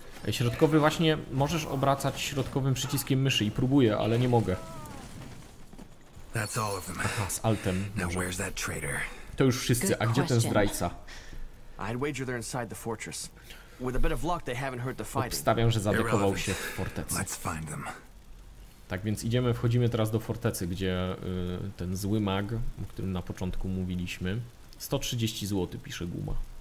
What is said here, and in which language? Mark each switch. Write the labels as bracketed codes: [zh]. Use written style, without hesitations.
[pl] Środkowy właśnie, możesz obracać środkowym przyciskiem myszy i próbuję, ale nie mogę. Aha, z altem. Może. To już wszyscy, a gdzie ten zdrajca? [en] I'd wager they're inside the fortress. With a bit of luck, they haven't heard the fighting. [pl] Obstawiam, że zadekował się w fortecy. [en] Let's find them. [pl] Tak więc idziemy, wchodzimy teraz do fortecy, gdzie ten zły mag, o którym na początku mówiliśmy. 130 zł, pisze guma.